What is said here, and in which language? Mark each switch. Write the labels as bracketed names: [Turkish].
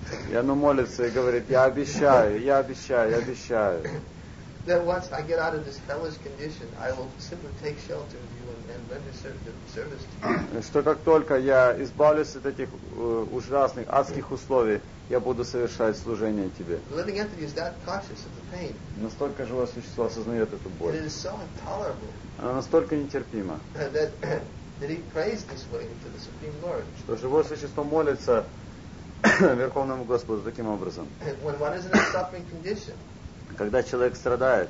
[Russian] И оно молится и говорит: «Я обещаю, я обещаю, я обещаю». [English] That once I get out of this hellish condition, I will simply take shelter of you and render service to you. [Russian] Что как только я избавлюсь от этих ужасных адских условий, я буду совершать служение тебе. [English] The living entity is that conscious of the pain. [Russian] Настолько живое существо осознает эту боль. [English] It is so intolerable. [Russian] Она настолько нетерпима. [English] That he prays this way to the Supreme Lord. [Russian] Что живое существо молится Верховному Господу таким образом. [English] When one is in a suffering condition. [Russian] Когда человек страдает,